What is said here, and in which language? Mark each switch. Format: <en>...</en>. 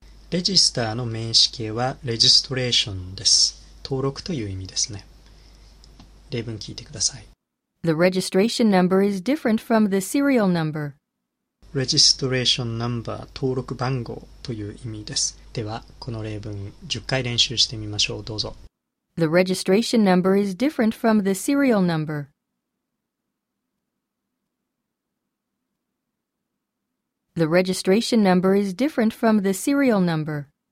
<ja>レジスターの名詞形はレジストレーションです。登録という意味ですね。例文聞いてください。</ja> <en>The registration number is different from the serial number. Registration number</en> <ja>登録番号という意味です。ではこの例文10回練習してみましょう。どうぞ。</ja> <en>The registration number is different from the serial number. The registration number is different from the serial number.</en>